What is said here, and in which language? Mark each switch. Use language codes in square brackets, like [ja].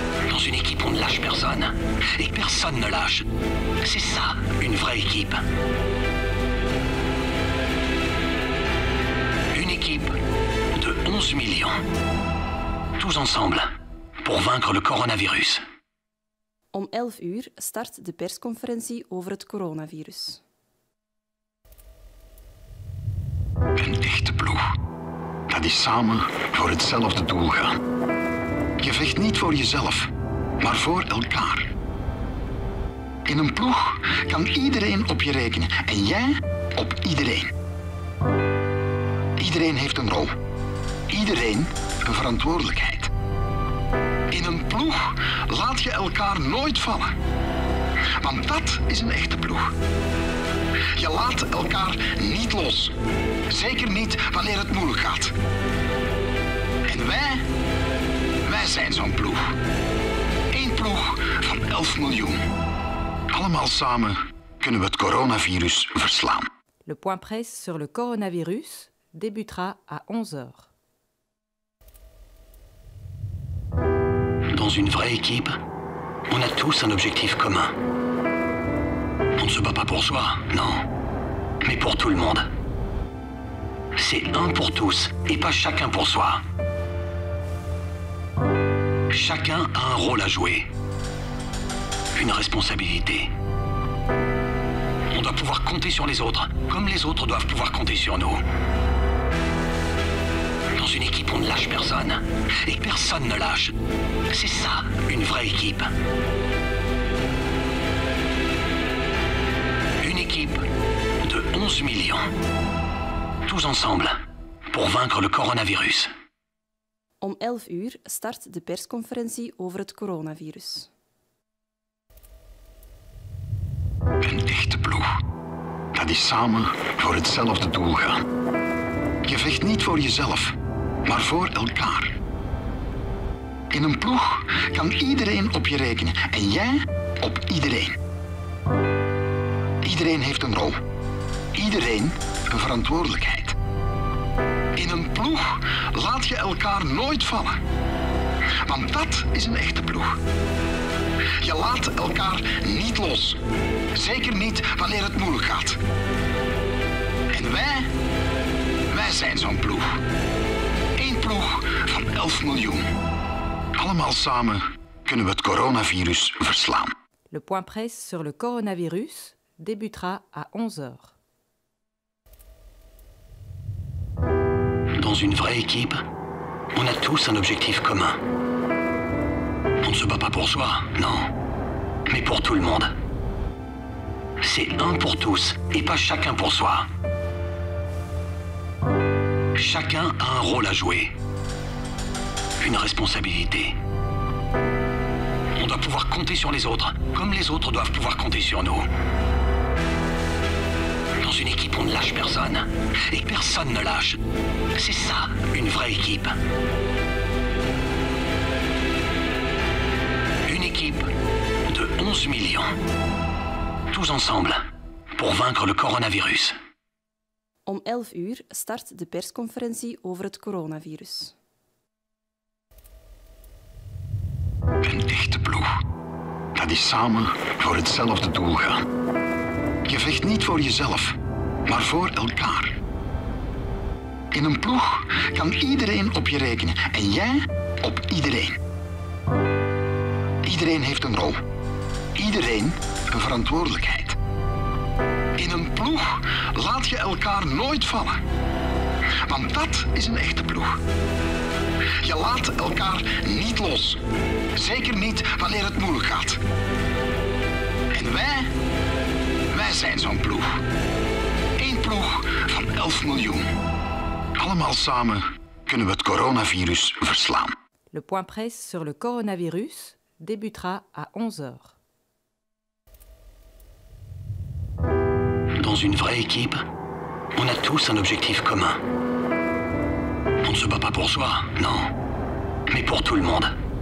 [fr] Dans une équipe, on ne lâche personne. Et personne ne lâche. C'est ça, une vraie équipe. Une équipe de 11 millions. Tous ensemble, pour vaincre le coronavirus. [nl] Om 11 uur start de persconferentie over het coronavirus. Een echte ploeg. Dat is samen voor hetzelfde doel gaan. Je vecht niet voor jezelf, maar voor elkaar. In een ploeg kan iedereen op je rekenen en jij op iedereen. Iedereen heeft een rol. Iedereen een verantwoordelijkheid. In een ploeg laat je elkaar nooit vallen. Want dat is een echte ploeg. Je laat elkaar niet los. Zeker niet wanneer het moeilijk gaat. En wij zijn zo'n ploeg. Eén ploeg van 11 miljoen. Allemaal samen kunnen we het coronavirus verslaan. [fr] Le point presse sur le coronavirus débutera à 11h. Dans une vraie équipe, on a tous un objectif commun. On ne se bat pas pour soi, non, mais pour tout le monde. C'est un pour tous et pas chacun pour soi. Chacun a un rôle à jouer, une responsabilité. On doit pouvoir compter sur les autres, comme les autres doivent pouvoir compter sur nous. Dans une équipe, on ne lâche personne. Et personne ne lâche. C'est ça, une vraie équipe. Une équipe de 11 millions. Tous ensemble, pour vaincre le coronavirus. [nl] Om 11 uur start de persconferentie over het coronavirus. Een echte ploeg. Dat is samen voor hetzelfde doel gaan. Je vecht niet voor jezelf. Maar voor elkaar. In een ploeg kan iedereen op je rekenen en jij op iedereen. Iedereen heeft een rol. Iedereen een verantwoordelijkheid. In een ploeg laat je elkaar nooit vallen. Want dat is een echte ploeg. Je laat elkaar niet los. Zeker niet wanneer het moeilijk gaat. En wij zijn zo'n ploeg. Van 11 miljoen. Allemaal samen kunnen we het coronavirus verslaan. [fr] Le point presse sur le coronavirus débutera à 11h. Dans une vraie équipe, on a tous un objectif commun. On ne se bat pas pour soi, non. Mais pour tout le monde. C'est un pour tous et pas chacun pour soi. Chacun a un rôle à jouer. Une responsabilité. On doit pouvoir compter sur les autres, comme les autres doivent pouvoir compter sur nous. Dans une équipe, on ne lâche personne. Et personne ne lâche. C'est ça, une vraie équipe. Une équipe de 11 millions. Tous ensemble, pour vaincre le coronavirus. [nl] Om 11 uur start de persconferentie over het coronavirus. Een echte ploeg. Dat is samen voor hetzelfde doel gaan. Je vecht niet voor jezelf, maar voor elkaar. In een ploeg kan iedereen op je rekenen en jij op iedereen. Iedereen heeft een rol. Iedereen een verantwoordelijkheid. In een ploeg laat je elkaar nooit vallen. Want dat is een echte ploeg. Je laat elkaar niet los. Zeker niet wanneer het moeilijk gaat. En wij zijn zo'n ploeg. Eén ploeg van 11 miljoen. Allemaal samen kunnen we het coronavirus verslaan. [fr] Le point presse sur le coronavirus débutera à 11h. Dans une vraie équipe, on a tous un objectif commun. On ne se bat pas pour soi, non. mais pour tout le monde.